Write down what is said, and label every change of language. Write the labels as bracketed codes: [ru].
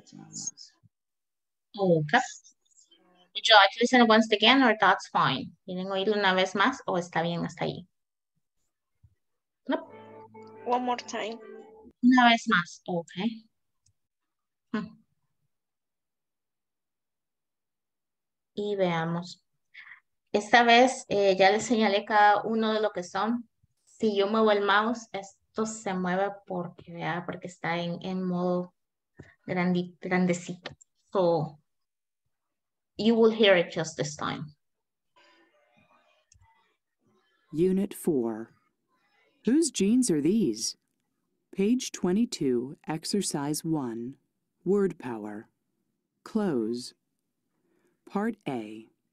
[en] Would you like to listen once again or that's fine? [es] ¿Quieren oírlo una vez más o está bien hasta ahí? [en] Nope. One more time. [es] Una vez más. Okay. Y veamos. Esta vez ya les señalé cada uno de lo que son. Si yo muevo el mouse, esto se mueve porque, ¿verdad? Porque está en modo grandecito. [en] So, you will hear it just this time. Unit 4. Whose jeans are these? Page 22, exercise 1. Word power. Close. Part A.